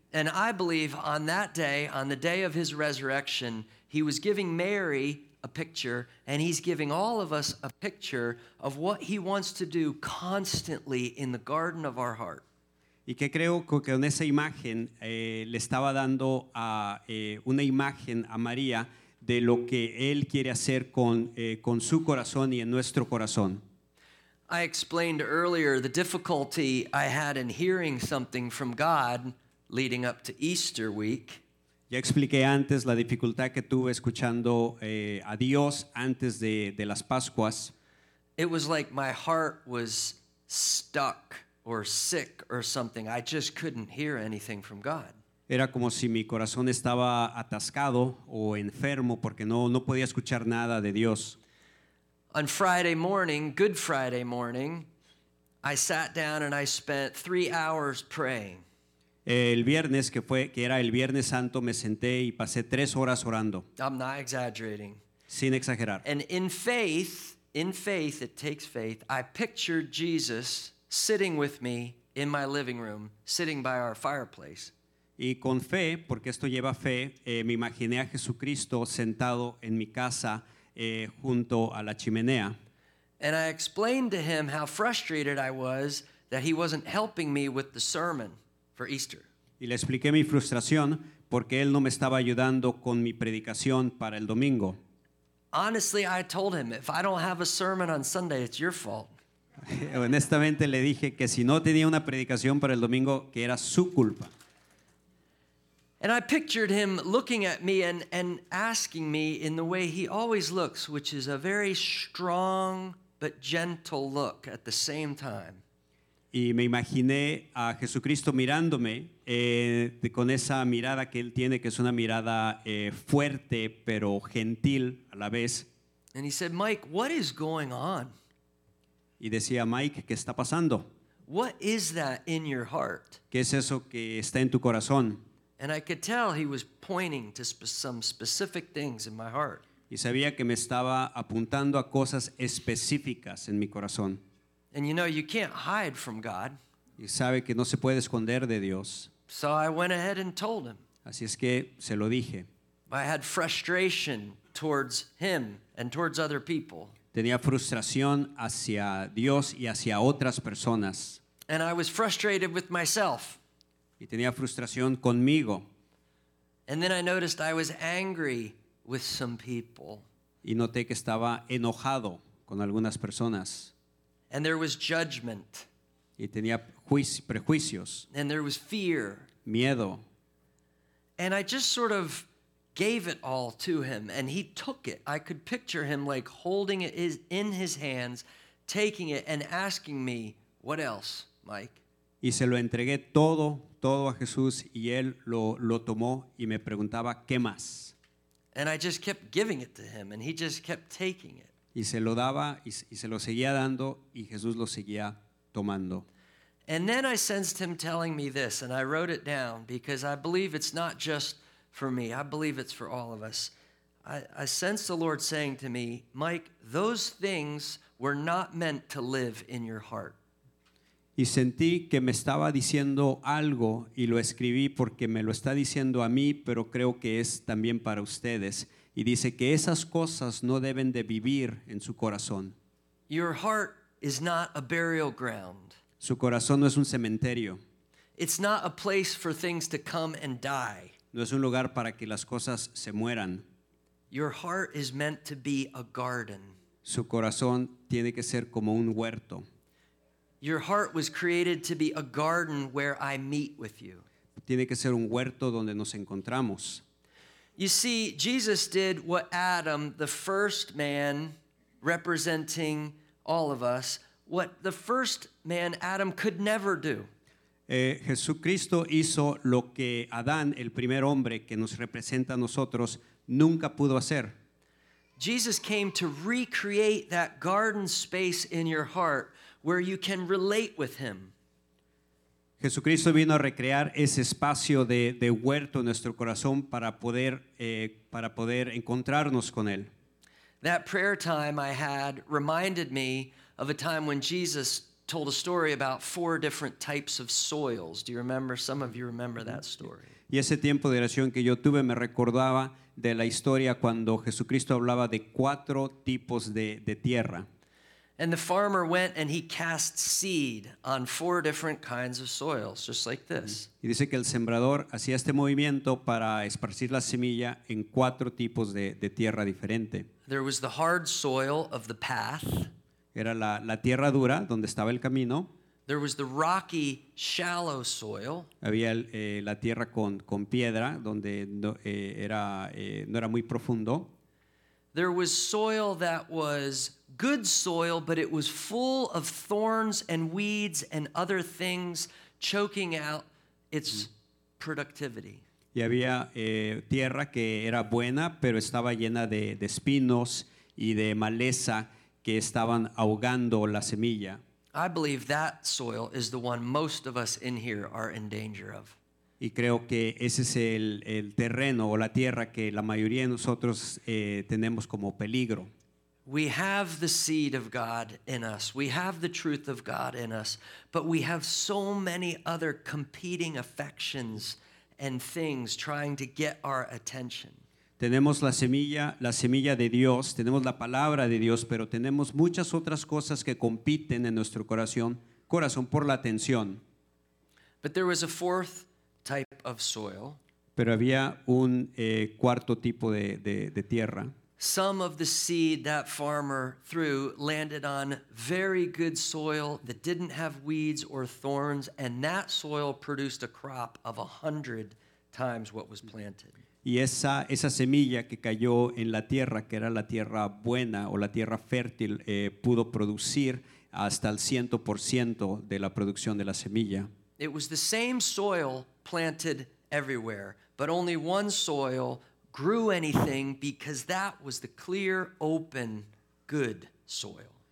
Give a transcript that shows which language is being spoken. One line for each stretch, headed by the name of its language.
English: And I believe on that day, on the day of his resurrection, he was giving Mary a picture, and he's giving all of us a picture of what he wants to do constantly in the garden of our heart.
Spanish: Y que creo que en esa imagen le estaba dando a una imagen a María de lo que él quiere hacer con su corazón y en nuestro corazón.
English: I explained earlier the difficulty I had in hearing something from God leading up to Easter week.
Spanish: Ya expliqué antes la dificultad que tuve escuchando a Dios antes de las Pascuas.
English: It was like my heart was stuck or sick or something. I just couldn't hear anything from God.
Spanish: Era como si mi corazón estaba atascado o enfermo porque no podía escuchar nada de Dios.
English: On Friday morning, Good Friday morning, I sat down and I spent 3 hours praying.
Spanish: El viernes, que era el Viernes Santo, me senté y pasé 3 horas orando.
English: I'm not exaggerating.
Spanish: Sin exagerar.
English: And in faith, it takes faith, I pictured Jesus sitting with me in my living room, sitting by our fireplace.
Spanish: Y con fe, porque esto lleva fe, me imaginé a Jesucristo sentado en mi casa junto a la chimenea.
English: And I explained to him how frustrated I was that he wasn't helping me with the sermon. For Easter.
Spanish: Y le expliqué mi frustración porque él no me estaba ayudando con mi predicación para el domingo.
English: Honestly, I told him, if I don't have a sermon on Sunday, it's your fault.
Spanish: Honestamente le dije que si no tenía una predicación para el domingo, que era su culpa.
English: And I pictured him looking at me and asking me in the way he always looks, which is a very strong but gentle look at the same time.
Spanish: Y me imaginé a Jesucristo mirándome con esa mirada que él tiene, que es una mirada fuerte, pero gentil a la vez.
English: And he said, Mike, what is going on?
Spanish: Y decía, Mike, ¿qué está pasando?
English: What is that in your heart?
Spanish: ¿Qué es eso que está en tu corazón?
English: And I could tell he was pointing to some specific things in my heart.
Spanish: Y sabía que me estaba apuntando a cosas específicas en mi corazón.
English: And you know, you can't hide from God.
Spanish: Y sabe que no se puede esconder de Dios.
English: So I went ahead and told him.
Spanish: Así es que se lo dije.
English: I had frustration towards him and towards other people.
Spanish: Tenía frustración hacia Dios y hacia otras personas.
English: And I was frustrated with myself.
Spanish: Y tenía frustración conmigo.
English: And then I noticed I was angry with some people.
Spanish: Y noté que estaba enojado con algunas personas.
English: And there was judgment.
Spanish: Y tenía prejuicios.
English: And there was fear.
Spanish: Miedo.
English: And I just sort of gave it all to him, and he took it. I could picture him like holding it in his hands, taking it and asking me, "What else, Mike?"
Spanish: Y se lo entregué todo a Jesús, y él lo tomó y me preguntaba, "¿Qué más?"
English: And I just kept giving it to him, and he just kept taking it.
Spanish: Y se lo daba y se lo seguía dando, y Jesús lo seguía tomando.
English: And then I sensed him telling me this, and I wrote it down because I believe it's not just for me. I believe it's for all of us. I sensed the Lord saying to me, "Mike, those things were not meant to live in your heart."
Spanish: Y sentí que me estaba diciendo algo, y lo escribí porque me lo está diciendo a mí, pero creo que es también para ustedes. Y dice que esas cosas no deben de vivir en su corazón.
English: Your heart is not a burial ground.
Spanish: Su corazón no es un cementerio.
English: It's not a place for things to come and die.
Spanish: No es un lugar para que las cosas se mueran.
English: Your heart is meant to be a garden.
Spanish: Su corazón tiene que ser como un huerto.
English: Your heart was created to be a garden where I meet with you.
Spanish: Tiene que ser un huerto donde nos encontramos.
English: You see, Jesus did what Adam, the first man representing all of us, what the first man, Adam, could never do.
Spanish: Jesucristo hizo lo que Adán, el primer hombre que nos representa a nosotros, nunca pudo hacer.
English: Jesus came to recreate that garden space in your heart where you can relate with him.
Spanish: Jesucristo vino a recrear ese espacio de huerto en nuestro corazón para poder encontrarnos con él.
English: That prayer time I had reminded me of a time when Jesus told a story about four different types of soils. Do you remember? Some of you remember that story.
Spanish: Y ese tiempo de oración que yo tuve me recordaba de la historia cuando Jesucristo hablaba de cuatro tipos de tierra.
English: And the farmer went and he cast seed on four different kinds of soils, just like this.
Spanish: Y dice que el sembrador hacía este movimiento para esparcir la semilla en cuatro tipos de tierra diferente.
English: There was the hard soil of the path.
Spanish: Era la tierra dura donde estaba el camino.
English: There was the rocky, shallow soil.
Spanish: Había la tierra con piedra donde no era muy profundo.
English: There was soil that was good soil, but it was full of thorns and weeds and other things choking out its productivity.
Spanish: Y había tierra que era buena, pero estaba llena de espinos y de maleza que estaban ahogando la semilla.
English: I believe that soil is the one most of us in here are in danger of.
Spanish: Y creo que ese es el terreno o la tierra que la mayoría de nosotros tenemos como peligro.
English: We have the seed of God in us. We have the truth of God in us. But we have so many other competing affections and things trying to get our attention.
Spanish: Tenemos la semilla de Dios. Tenemos la palabra de Dios. Pero tenemos muchas otras cosas que compiten en nuestro corazón por la atención.
English: But there was a fourth type of soil.
Spanish: Pero había un cuarto tipo de tierra.
English: Some of the seed that farmer threw landed on very good soil that didn't have weeds or thorns, and that soil produced a crop of 100 times what was planted.
Spanish: Y esa semilla que cayó en la tierra, que era la tierra buena o la tierra fértil, pudo producir hasta el 100% de la producción de la semilla.
English: It was the same soil planted everywhere, but only one soil grew anything because that was the clear, open, good soil.